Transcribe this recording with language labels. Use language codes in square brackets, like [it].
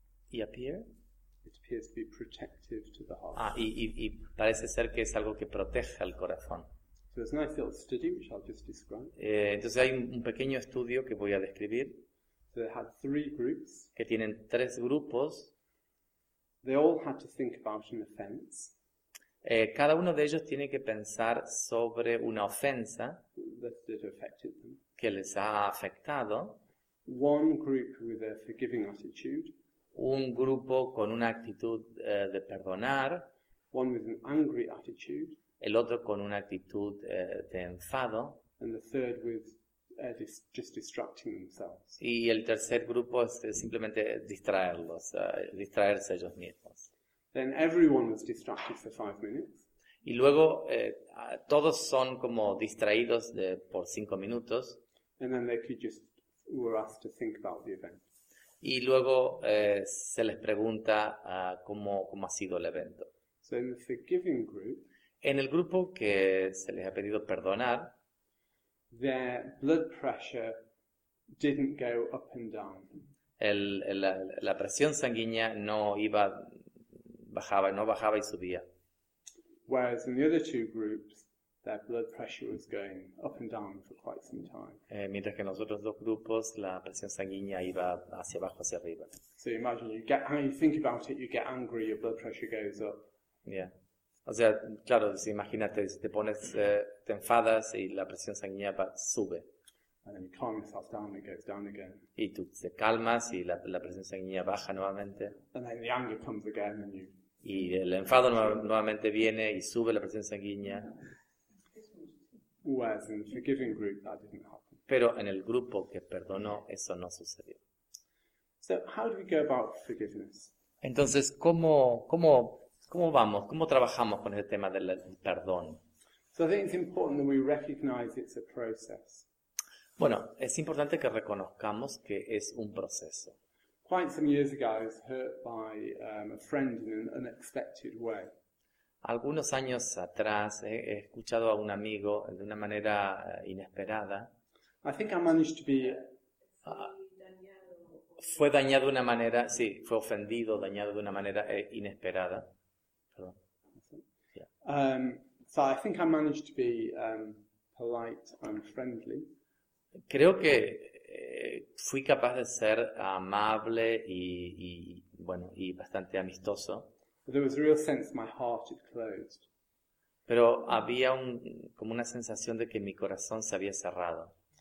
[en] It appears to be protective to the heart. [es] Y parece ser que es algo que protege al corazón. [en] So there's a nice little study which I'll just describe. [es] Entonces hay un pequeño estudio que voy a describir. [en] So they had three groups. [es] Que tienen tres grupos. [en] They all had to think about an offense. [es] Cada uno de ellos tiene que pensar sobre una ofensa [en] that affected them. [es] Que les ha afectado. [en] One group with a forgiving attitude. [es] Un grupo con una actitud de perdonar. [en] One with an angry attitude. [es] El otro con una actitud de enfado. [en] And the third with just distracting themselves. [es] Y el tercer grupo es simplemente distraerlos, distraerse ellos mismos. [en] Then everyone was distracted for 5 minutes. [es] Y luego todos son como distraídos por 5 minutos. [en] And then they could just were asked to think about the event. [es] Y luego se les pregunta cómo ha sido el evento. [en] So in the forgiving group, [es] en el grupo que se les ha pedido perdonar, [en] their blood pressure didn't go up and down. [es] La presión sanguínea no bajaba y subía. [en] Whereas in the other two groups, their blood pressure was going up and down for quite some time. [es] Mientras que en los otros dos grupos la presión sanguínea iba hacia abajo, hacia arriba. [en] So imagine you think about it, you get angry, your blood pressure goes up. [es] Yeah. O sea, claro, imagínate, si te pones, te enfadas y la presión sanguínea sube. [en] And then you calm yourself down, it goes down again. [es] Y tú te calmas y la presión sanguínea baja nuevamente. [en] And then the anger comes again and you. [es] Y el enfado nuevamente viene y sube la presión sanguínea. [en] Whereas in the forgiving group, that didn't happen. [es] Pero en el grupo que perdonó, eso no sucedió. [en] So how do we go about forgiveness? [es] Entonces, ¿cómo vamos? ¿Cómo trabajamos con el tema del perdón? [en] So I think it's important that we recognize it's a process. [es] Bueno, es importante que reconozcamos que es un proceso. [en] Quite some years ago, I was hurt by a friend in an unexpected way. [es] Algunos años atrás he escuchado a un amigo de una manera inesperada. [en] I think I managed to be [es] fue dañado de una manera, sí, fue ofendido, dañado de una manera inesperada. Perdón. [en] Yeah. So I think I managed to be polite and friendly. [es] Creo que fui capaz de ser amable y bueno, y bastante amistoso. [en] There was a real sense my heart had closed. [es] Pero había como una sensación de que mi corazón se había cerrado.